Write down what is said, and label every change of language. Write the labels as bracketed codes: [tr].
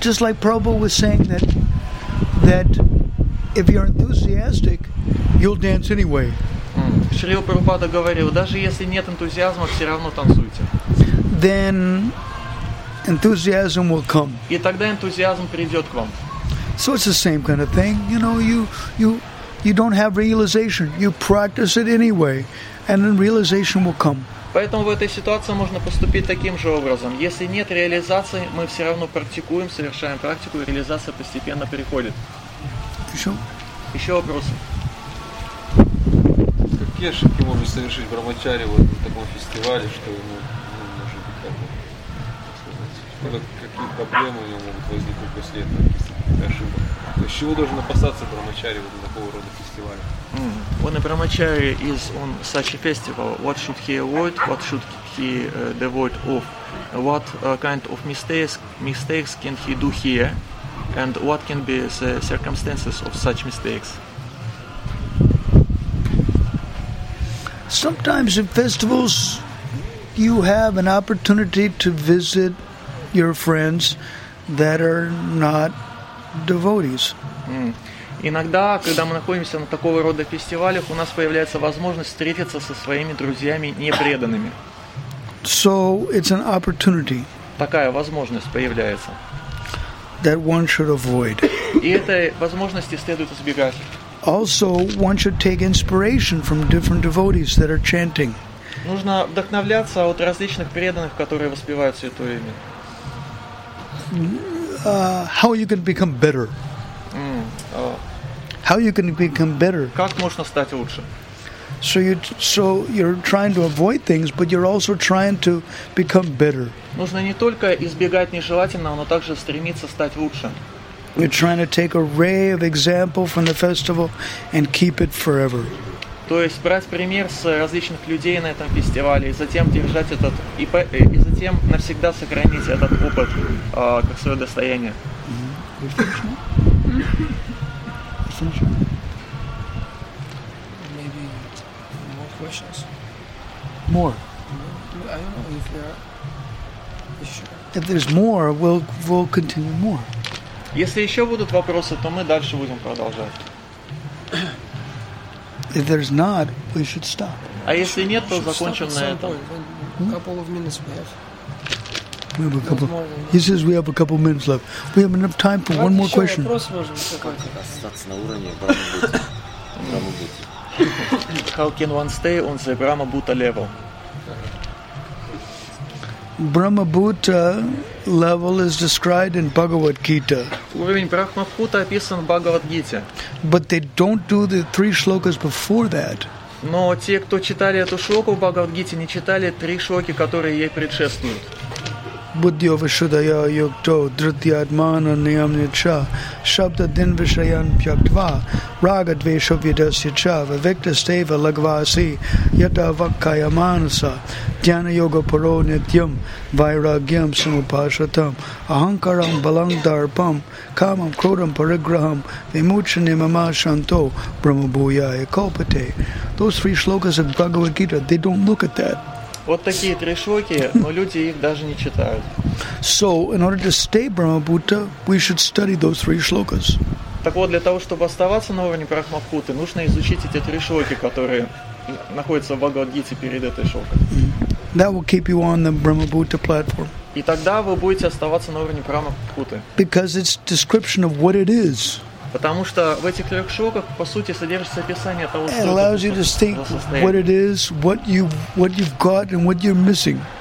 [en] Just like Prabhupada was saying that if you're enthusiastic, you'll dance anyway. [ru] Шрила Прабхупада говорил, даже если нет энтузиазма, все равно танцуйте. [en] Then enthusiasm will come. [ru] И тогда энтузиазм придёт к вам. [en] So it's the same kind of thing. You know, you don't have realization. You practice it anyway, and then realization will come. [ru] Поэтому в этой ситуации можно поступить таким же образом. Если нет реализации, мы все равно практикуем, совершаем практику, и реализация постепенно приходит. Еще вопросы? Какие ошибки можно совершить брахмачари вот на таком фестивале, что ему? Какие проблемы у него могут возникнуть после этого, каких-то ошибок? То есть чего должен опасаться брахмачари вот на такого рода фестивале? [en] When a brahmachari is on such a festival, what should he avoid? What should he devoid of? What kind of mistakes can he do here? And what can be the circumstances of such mistakes? Sometimes in festivals you have an opportunity to visit your friends that are not devotees. [ru] Иногда, когда мы находимся на такого рода фестивалях, у нас появляется возможность встретиться со своими друзьями непреданными. [en] So it's an opportunity. [ru] Такая возможность появляется. [en] That one should avoid. [ru] И этой возможности следует избегать. [en] Also, one should take inspiration from different devotees that are chanting. [ru] Нужно вдохновляться от различных преданных, которые воспевают святое имя. [en] How you can become better? How you can become better? [ru] Как можно стать лучше? [en] So you you're trying to avoid things, but you're also trying to become better. [ru] Нужно не только избегать нежелательного, но также стремиться стать лучше. [en] You're trying to take a ray of example from the festival and keep it forever. [ru] То есть брать пример с различных людей на этом фестивале и затем держать этот и затем навсегда сохранить этот опыт как свое достояние. [en] Maybe more questions. More. I don't know if there are. Sure. If there's more, we'll continue more. [ru] Если еще будут вопросы, то мы дальше будем продолжать. [en] If there's not, we should stop. [ru] А если нет, то закончим на этом. [en] Couple of minutes we have. We have a couple. He says we have a couple minutes left. We have enough time for one more question. How can one stay on the Brahma Bhuta level? Brahma Bhuta level is described in Bhagavad Gita. [ru] Уровень Брахма Бхута описан в Бхагавад Гите. [en] But they don't do the three shlokas before that. [ru] Но те, кто читали эту шлоку в Бхагавад Гите, не читали три шлоки, которые ей предшествуют. [sa] Buddhyovashudaya yukto drityadmana niyamnicha shabda dinvishayan pyaktva raga dvesha vidasya cha vivikta steva lagvasi yata vakkaya manasa jnana yoga paro nityam vairagyam samupashatam ahankaram balang darpam kamam krodam parigraham vimuchanim amashanto brahmabhuyaya kalpate. [en] Those three shlokas of Bhagavad Gita, they don't look at that. [ru] Вот такие три шлоки, но люди их даже не читают. [en] So, in order to stay Brahma Bhuta, we should study those three shlokas. [ru] Так вот, для того, чтобы оставаться на уровне Брахма Бхуты, нужно изучить эти три шлоки, которые находятся в Бхагавад Гите перед этой шлокой. Mm-hmm. [en] That will keep you on the Brahma Bhuta platform. [ru] И тогда вы будете оставаться на уровне Брахма Бхуты. [en] Because it's description of what it is. [ru] Потому что в этих трех шлоках, по сути, содержится описание того, что [en] это allows you to think what it is, what you've got and what you're missing.